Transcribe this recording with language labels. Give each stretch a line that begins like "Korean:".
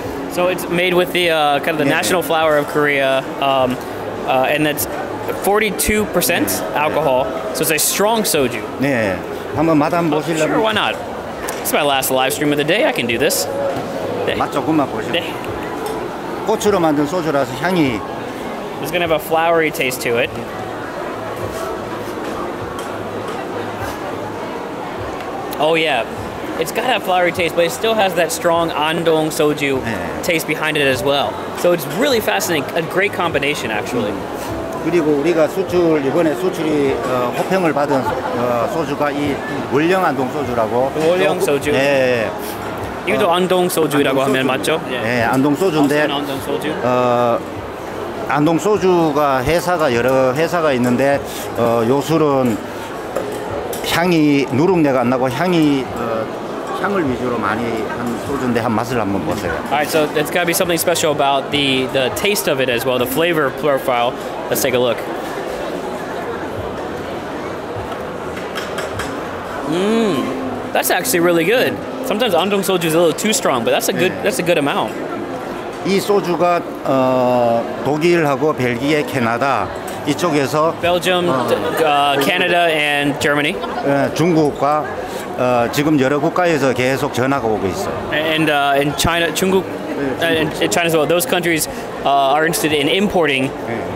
English: So it's made with the kind of the national flower of Korea, and that's 42% alcohol. So it's a strong soju.
Korean: 네. 한번 맛한 보실래요?
English: Sure, why not? It's my last live stream of the day. I can do this.
Korean: 네. 맛 조금만 보시고. 네. 꽃으로 만든 소주라서 향이
English: It's going to have a flowery taste to it. Oh yeah. It's got that flowery taste, but it still has that strong Andong soju 네. taste behind it as well. So it's really fascinating. A great combination, actually.
Korean: 그리고 우리가 수출 이번에 수출이 호평을 받은 소주가 이 월령 안동 소주라고. 월령 소주. 네. 이것도 안동 소주라고 하면 맞죠? 네, 안동 소주인데. 안동 소주. 안동 소주가 회사가 여러 회사가 있는데 요술은 향이 누룩내가 안 나고 향이 향을 위주로 많이 한 소주인데 한 맛을 한번 보세요.
English: Alright, so it's got to be something special about the taste of it as well, the flavor profile. Let's take a look. Mmm, that's actually really good. Sometimes Andong soju is a little too strong, but that's a good 네. that's a good amount.
Korean: 이 소주가 독일하고 벨기에 캐나다 이쪽에서
English: Belgium, Canada and Germany.
Korean: 네, 중국과 지금 여러 국가에서 계속 전화가 오고 있어.
English: And in China,
Korean: 중국, 네, 중국.
English: China as well. Those countries are interested in importing 네.